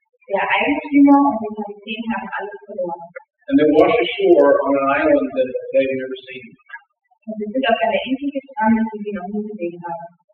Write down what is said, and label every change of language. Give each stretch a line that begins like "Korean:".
German: Der Eigentümer und die Kapitän haben alles verloren.
English: And they washed ashore on an island that they've never seen.
German: Und sie sind auf einer Insel gestrandet, die sie noch nie gesehen haben.